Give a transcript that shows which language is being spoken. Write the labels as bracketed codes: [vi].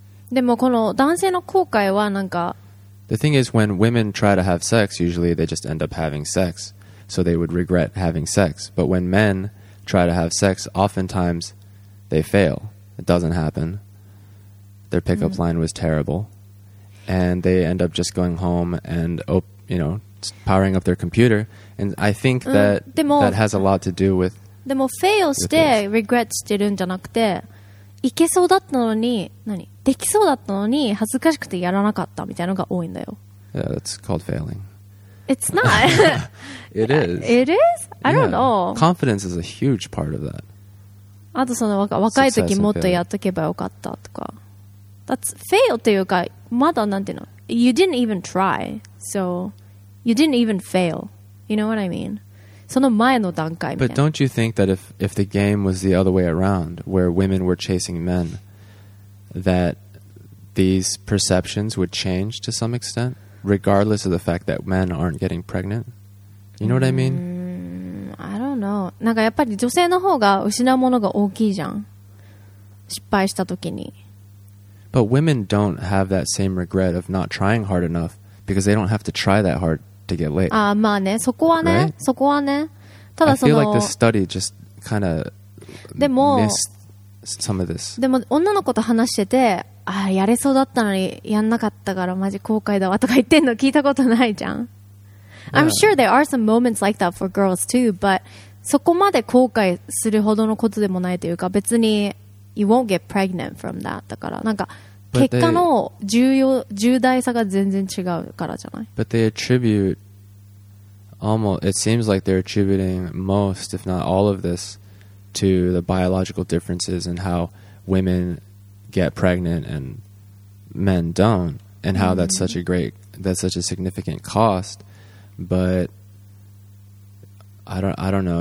[ja] でもこの男性の後悔はなんか、 [en] The thing is, when women try to have sex, usually they just end up having sex, so they would regret having sex. But when men try to have sex, oftentimes they fail. It doesn't happen. Their pickup line was terrible, and they end up just going home and powering up their computer. And I think that has a lot to do with. [ja] でも fail して regret してるんじゃなくて。いけそうだったのに、何？できそうだったのに恥ずかしくてやらなかったみたいなのが多いんだよ。 [en] Yeah, that's called failing. It's not. It is. It is? I don't know. Confidence is a huge part of that. [ja] あとその若い時もっとやっとけばよかったとか。 [en] That's fail [ja] というか、まだなんていうの？ [en] You didn't even try. So, you didn't even fail. You know what I mean? [ja] その前の段階みたいな。 [en] But don't you think that if the game was the other way around, where women were chasing men, that these perceptions would change to some extent, regardless of the fact that men aren't getting pregnant? You know what I mean? I don't know. [ja] なんかやっぱり女性の方が失うものが大きいじゃん。失敗した時に。 [en] But women don't have that same regret of not trying hard enough because they don't have to try that hard. To get late. [ja] ああ、まあね、そこはね、 [en] right? [ja] そこはね。ただその、 [en] I feel like this study just kind of missed some of this. [ja] でも女の子と話してて、ああ、やれそうだったのにやんなかったからマジ後悔だわとか言ってんの聞いたことないじゃん。 [en] Yeah. I'm sure there are some moments like that for girls too, but [ja] そこまで後悔するほどのことでもないというか、別に [en] you won't get pregnant from that [ja] だから、なんか。 [en] But、 [ja] 結果の重大さが全然違うからじゃない。 [en] But they attribute almost, it seems like they're attributing most, if not all of this, to the biological differences and how women get pregnant and men don't, and how mm-hmm. That's such a significant cost. But I don't know.